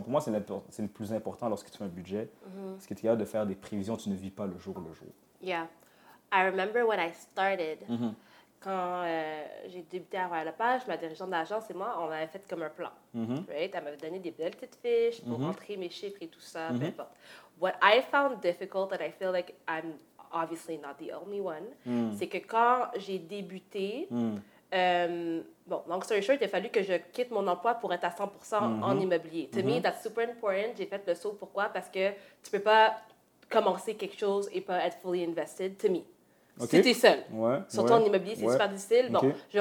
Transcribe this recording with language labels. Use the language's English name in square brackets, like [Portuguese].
[French] Pour moi, c'est le plus important lorsque tu fais un budget. Mm-hmm. Parce que tu es capable de faire des prévisions, tu ne vis pas le jour le jour. [English] Yeah. I remember when I started. Mm-hmm. [French] Quand j'ai débuté à avoir la page, ma dirigeante d'agence et moi, on avait fait comme un plan. Mm-hmm. [English] Right? [French] Elle m'avait donné des belles petites fiches pour mm-hmm. entrer mes chiffres et tout ça, mm-hmm. peu importe. [English] What I found difficult and I feel like I'm obviously not the only one, mm-hmm. [French] c'est que quand j'ai débuté, mm-hmm. Bon, [English] long story short, [French] il a fallu que je quitte mon emploi pour être à 100% mm-hmm. en immobilier. [English] To mm-hmm. me, that's super important. [French] J'ai fait le saut. Pourquoi? Parce que tu peux pas commencer quelque chose et pas être [English] fully invested. To me. Okay. [French] Si tu es seul. Ouais, surtout ouais, en immobilier, c'est ouais. super difficile. Bon, okay.